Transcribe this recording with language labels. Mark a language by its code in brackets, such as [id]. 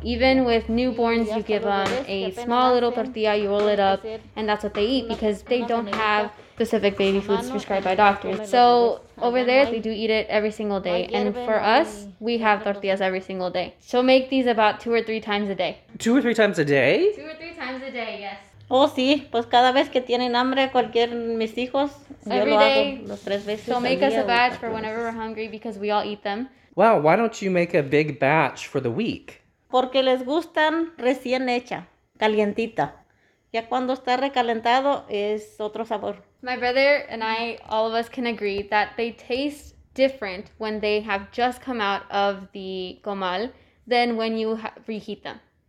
[en] Even with newborns, you give them a small little tortilla, you roll it up, and that's what they eat because they don't have specific baby foods prescribed by doctors. So over there, they do eat it every single day. And for us, we have tortillas every single day. She'll make these about two or three times a day. Two or three times a day? Two or three times a day, yes. [es] Oh, sí. Pues cada vez que tienen hambre, cualquier mis hijos, [en] every [es] yo lo [en] day, [es] hago los tres veces. [en] She'll make us a batch for whenever we're hungry because we all eat them. Wow, why don't you make a big batch for the week? [es] Porque les gustan recién hecha, calientita. Ya cuando está recalentado, es otro sabor. [en] My brother and I, all of us can agree that they taste different when they have just come out of the comal than when you reheat them.